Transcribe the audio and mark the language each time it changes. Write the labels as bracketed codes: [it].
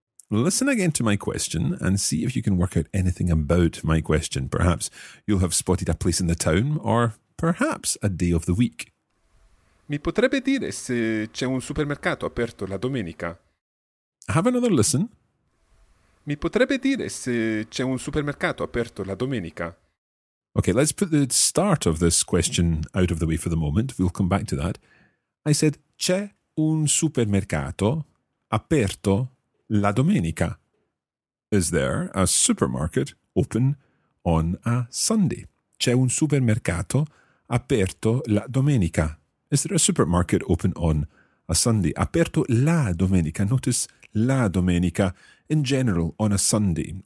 [en] Listen again to my question and see if you can work out anything about my question. Perhaps you'll have spotted a place in the town or perhaps a day of the week. [it] Mi potrebbe dire se c'è un supermercato aperto la domenica? [en] Have another listen. [it] Mi potrebbe dire se c'è un supermercato aperto la domenica? [en] Okay, let's put the start of this question out of the way for the moment. We'll come back to that. I said, [it] c'è un supermercato aperto la domenica. [en] Is there a supermarket open on a Sunday? [it] C'è un supermercato aperto la domenica. [en] Is there a supermarket open on a Sunday? [it] Aperto la domenica. [en] Notice [it] la domenica [en] in general on a Sunday.